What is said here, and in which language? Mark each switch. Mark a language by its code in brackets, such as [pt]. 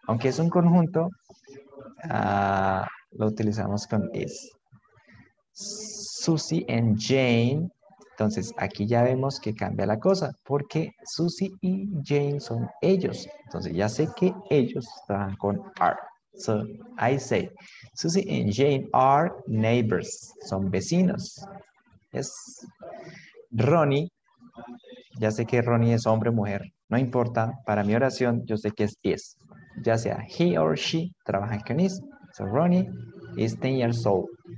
[es] Aunque es un conjunto, lo utilizamos con is. Susie and Jane. Entonces, aquí ya vemos que cambia la cosa, porque Susie y Jane son ellos. Entonces, ya sé que ellos trabajan con are. [en] So, I say, Susie and Jane are neighbors. [es] Son vecinos. Yes. Ronnie, ya sé que Ronnie es hombre o mujer. No importa, para mi oración, yo sé que es is. Ya sea [en] he or she, [es] trabaja con is. [en] So, Ronnie is 10 years old.